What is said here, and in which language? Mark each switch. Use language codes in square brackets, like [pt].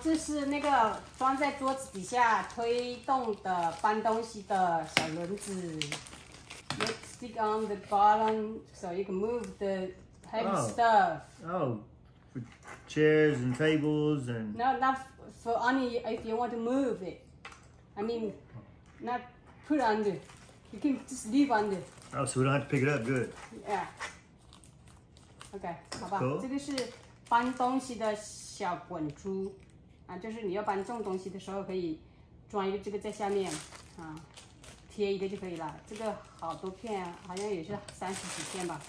[zh] 这是那个装在桌子底下推动的搬东西的小轮子。 [en] Let's stick on the bottom so you can move the heavy stuff. For chairs and tables and. No, not for only if you want to move it. I mean, not put under. You can just leave under. Oh, so we don't have to pick it up. Good. Yeah. Okay, [zh] 好吧，这个是。搬东西的小滚珠、啊、就是你要搬重东西的时候可以装一个这个在下面、啊、贴一个就可以了。这个好多片、啊、好像也是三十几片吧。